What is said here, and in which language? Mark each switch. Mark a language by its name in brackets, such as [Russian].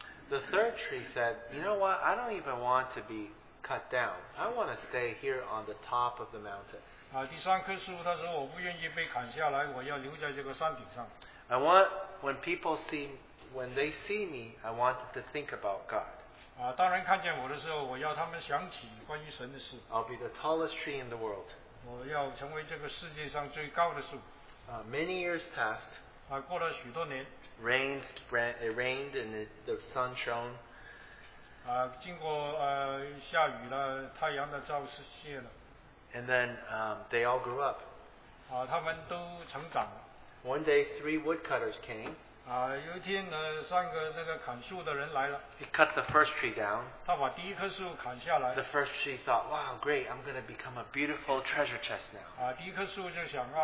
[English] The third tree said, you know what, I don't even want to be cut down. I want to stay here on the top of the mountain. [Chinese] 第三棵树他说我不愿意被砍下来, [English] I want, when people see, when they see me, I want them to think about God. [Chinese] 当然看见我的时候我要他们想起关于神的事。 [English] I'll be the tallest tree in the world. [Chinese] 我要成为这个世界上最高的树。 [English] Many years passed. [Chinese] 过了许多年, [English] it rained and the sun shone. [Chinese] 经过下雨了，太阳的照射谢了。 [English] And then they all grew up. [Chinese] 他们都成长了。 [English] One day, three woodcutters came. [Chinese] 有一天呢，三个那个砍树的人来了。 [English] He cut the first tree down. [Chinese] 他把第一棵树砍下来。 [English] The first tree thought, wow, great, I'm going to become a beautiful treasure chest now.